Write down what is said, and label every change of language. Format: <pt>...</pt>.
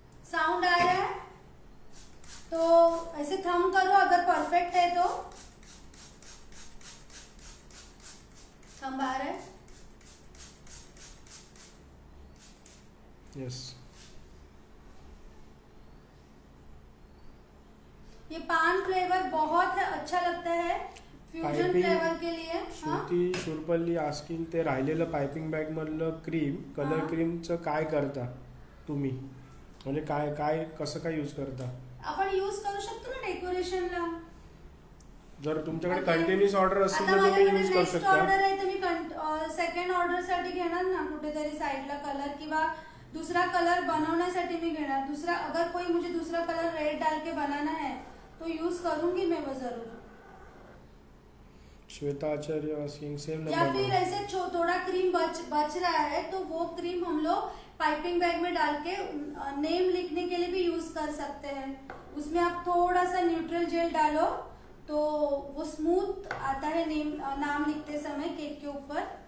<hi>sound आ रहा है तो ऐसे थम करो अगर परफेक्ट है तो थम आ रहा है यस ये पान फ्लेवर बहुत है, अच्छा लगता है फ्यूजन फ्लेवर के लिए</hi> <mr>श्रुती सुरपल्ली आस्किंग ते राहिलेलं पाइपिंग बॅग मधलं क्रीम कलर क्रीमचं काय करता तुम्ही म्हणजे काय काय कसं काय यूज करता आपण यूज करू शकतो ना डेकोरेशनला जर तुमच्याकडे कंटिन्यूअस ऑर्डर असेल तर तुम्ही यूज करू शकता आता माझ्याकडे नेक्स्ट ऑर्डर आहे तर मी सेकंड ऑर्डर साठी घेणार ना कुठेतरी साइडला कलर किंवा दुसरा कलर बनवण्यासाठी मी घेणार दुसरा</mr> <hi>अगर कोई मुझे दुसरा कलर रेड डाल के बनाना है तो यूज करूंगी मैं वो जरूर</hi> <en>Shweta Acharya Singh same</en> <hi>या फिर ऐसे थोड़ा क्रीम बच रहा है तो वो क्रीम हम लोग पाइपिंग बैग में डाल के नेम लिखने के लिए भी यूज कर सकते हैं उसमें आप थोड़ा सा न्यूट्रल जेल डालो तो वो स्मूथ आता है नेम नाम लिखते समय केक के ऊपर</hi>